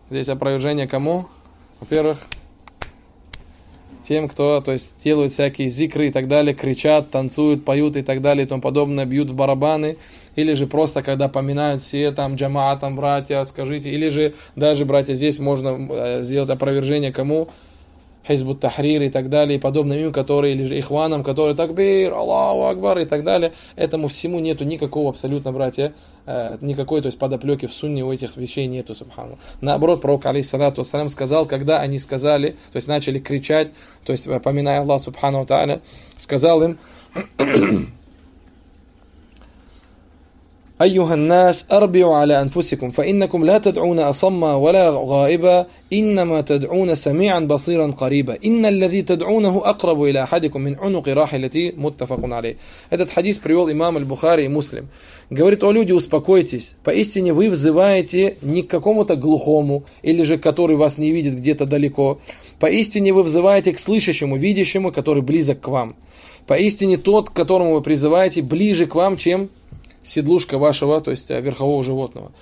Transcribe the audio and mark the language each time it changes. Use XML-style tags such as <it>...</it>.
<ru>Здесь опровержение кому? Во-первых, тем, кто, то есть, делают всякие зикры и так далее, кричат, танцуют, поют и так далее и тому подобное, бьют в барабаны, или же просто, когда поминают все там джамаа, там братья, скажите, или же даже, братья, здесь можно сделать опровержение кому? Хизбут Тахрир и так далее, и подобным им, которые, или же ихванам, которые такбир, Аллаху Акбар и так далее. Этому всему нету никакого абсолютно, братья, никакой, то есть, подоплеки в сунне у этих вещей нету, субханаллах.</ru> <ar>Наоборот, пророк, алейхиссалату ассалям, сказал, когда они сказали, то есть, начали кричать, то есть, поминая Аллах, субхану тааля, сказал им, أيها الناس أربعوا على أنفسكم فإنكم لا تدعون أصما ولا غائبا إنما تدعون سميعا بصيرا قريبا إن الذي تدعونه أقرب إلى أحدكم من عنق راحلتي متفق عليه.</ar> <ru>Этот хадис привел имам Аль-Бухари и Муслим. Говорит: о люди, успокойтесь, поистине вы взываете не к какому-то глухому, или же который вас не видит где-то далеко, поистине вы взываете к слышащему, видящему, который близок к вам. Поистине тот, к которому вы призываете, ближе к вам, чем седлушка вашего, то есть верхового животного.</ru>